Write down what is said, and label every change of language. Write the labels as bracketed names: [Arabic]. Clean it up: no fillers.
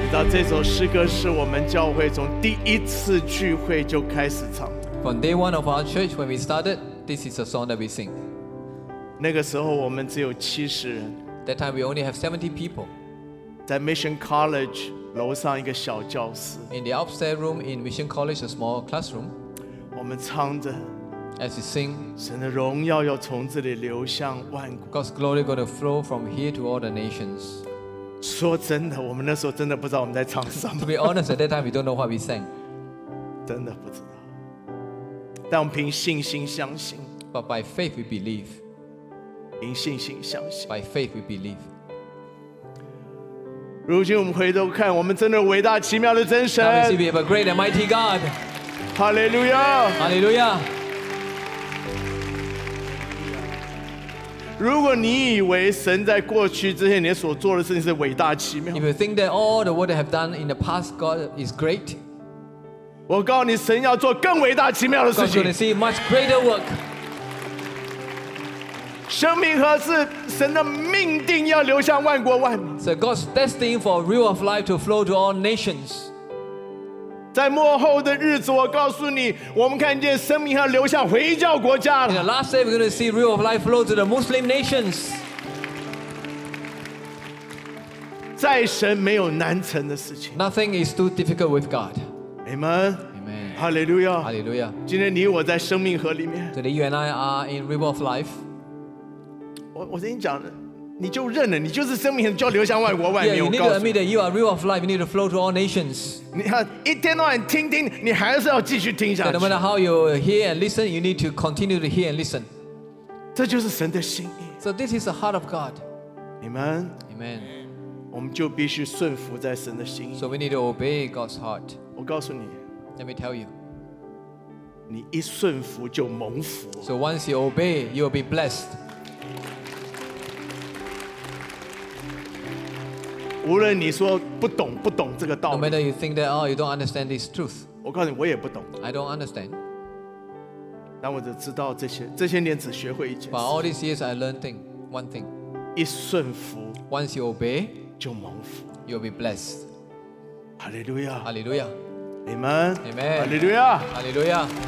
[Chinese] 这首诗歌是我们教会从第一次聚会就开始唱。 [English] From day one of our church when we started, this is a song that we sing. [Chinese] 那个时候我们只有七十人。 [English] That time we only have 70 people. [Chinese] 在 Mission College 楼上一个小教室。 [English] In the upstairs room in Mission College, a small classroom. [Chinese] 我们唱着。 [English] As we sing. [Chinese] 神的荣耀要从这里流向万国。 [English] God's glory going to flow from here to all the nations. [Chinese] 说真的，我们那时候真的不知道我们在唱什么。 [English] To be honest, at that time we don't know what we sang. [Chinese] 真的不知道。但我们凭信心相信。 [English] But by faith we believe. [Chinese] 凭信心相信。 [English] By faith we believe. [Chinese] 如今我们回头看，我们真的伟大奇妙的真神。 [English] Now we see we have a great and mighty God. Hallelujah. Hallelujah. [Chinese] 如果你以为神在过去这些年所做的事情是伟大奇妙， [English] If you think that all the work they have done in the past, God is great, [Chinese] 我告诉你，神要做更伟大奇妙的事情。 [English] God's going to see much greater work. [Chinese] 生命河是神的命定要流向万国万民。 [English] So God's destined for a river of life to flow to all nations. [Chinese] 在末后的日子，我告诉你，我们看见生命要流向回教国家了。 [English] In the last day, we're going to see river of life flow to the Muslim nations. [Chinese] 在神没有难成的事情。 [English] Nothing is too difficult with God. Amen. Amen. Hallelujah. Hallelujah. [Chinese] 今天你我在生命河里面。 [English] Today you and I are in river of life. [Chinese] 我跟你讲，你就认了，你就是生命，就要流向外国外面。 [English] Yeah, you need to admit that you are river of life. You need to flow to all nations. [Chinese] 你看，一天到晚听，你还是要继续听下去。 [English] No matter how you hear and listen, you need to continue to hear and listen. [Chinese] 这就是神的心意。 [English] So this is the heart of God. Amen. Amen. [Chinese] 我们就必须顺服在神的心意。 [English] So we need to obey God's heart. [Chinese] 我告诉你 [English] ，Let me tell you. [Chinese] 你一顺服就蒙福。 [English] So once you obey, you will be blessed. [Chinese] 无论你说不懂这个道理 [English] ，No matter you think that oh you don't understand this truth， [Chinese] 我告诉你我也不懂 [English] ，I don't understand。 [Chinese] 但我只知道这些年只学会一件事 [English] ，But all these years I learned thing one thing， [Chinese] 一顺服 [English] ，Once you obey， [Chinese] 就蒙福 [English] ，You'll be blessed。 Hallelujah， Hallelujah， Amen， Amen， Hallelujah， Hallelujah。